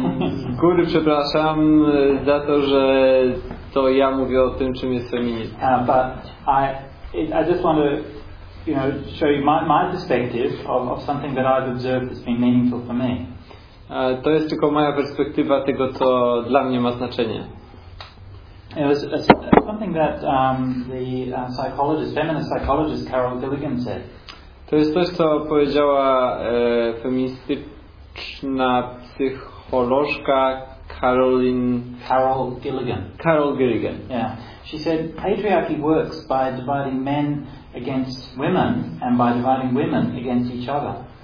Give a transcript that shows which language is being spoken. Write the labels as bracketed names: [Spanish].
[Polish] Z góry przepraszam za to, że to ja mówię o tym, czym jest feminizm. [English] But I just want to, you know, show you my perspective of something that I've observed that's been meaningful for me. [Polish] To jest tylko moja perspektywa tego, co dla mnie ma znaczenie. [English] It was something that the feminist psychologist Carol Gilligan said. [Polish] To jest coś, co powiedziała feministyczna psycholożka Carol Gilligan. Carol Gilligan. [English] Yeah. She said patriarchy works by dividing men against women and by dividing women against each other.